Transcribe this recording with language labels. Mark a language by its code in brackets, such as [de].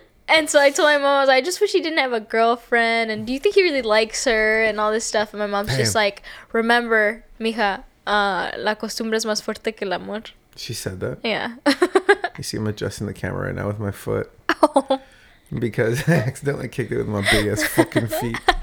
[en] And so I told my mom, I just wish he didn't have a girlfriend, and do you think he really likes her and all this stuff? And my mom's just like, remember, [es] mija, la costumbre es más fuerte que el amor. [en] She said that? Yeah. You see, I'm adjusting the camera right now with my foot. Because I accidentally kicked it with my big ass fucking feet.